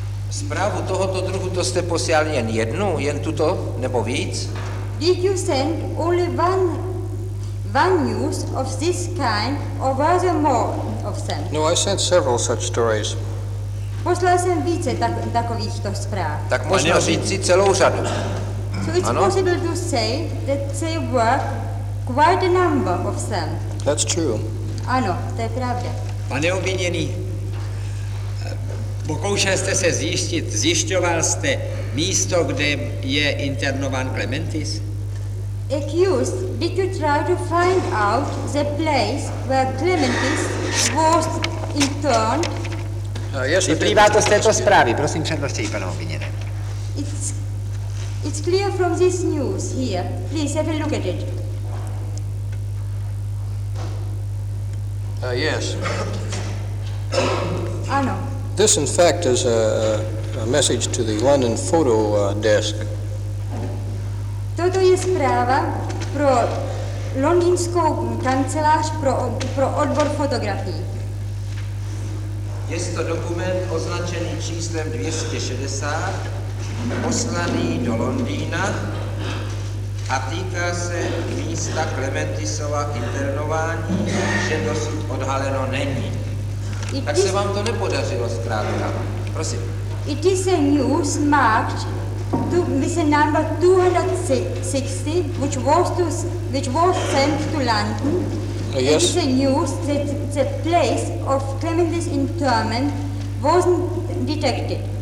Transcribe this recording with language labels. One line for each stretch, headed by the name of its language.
Czech: Zprávu tohoto druhu, to jste posílal jen jednu, jen tuto, nebo víc?
English: Did you send only one news of this kind, or were there more of them? No, I sent several such stories.
Czech: Poslal jsem více takovýchto zpráv. Tak možná říct si celou řadu.
English: So it's ano? Possible to say that there were quite a number of them. That's true.
Czech: Ano, to je pravda. Pane obviněný, pokoušel jste se zjišťoval jste místo, kde je internován Clementis?
English: Accused, did you try to find out the place where Clementis was interned?
Czech: Yes, vyplývá to z této zprávy, prosím přednostěji, pane obviněné.
English: It's clear from this news here. Please have a look at it. Yes.
Czech: Ano.
English: This in fact is a message to the London photo desk.
Czech: Toto je zpráva pro londýnskou kancelář pro odbor fotografií. Je to dokument označený číslem 260, poslaný do Londýna a týká se místa Clementisova internování, že dosud odhaleno není. Tak se vám to nepodařilo zkrátka. Prosím.
English: It is a news marked with a number 260, which was sent to London. Yes. It is a news that the place of Clementis' internment wasn't detected.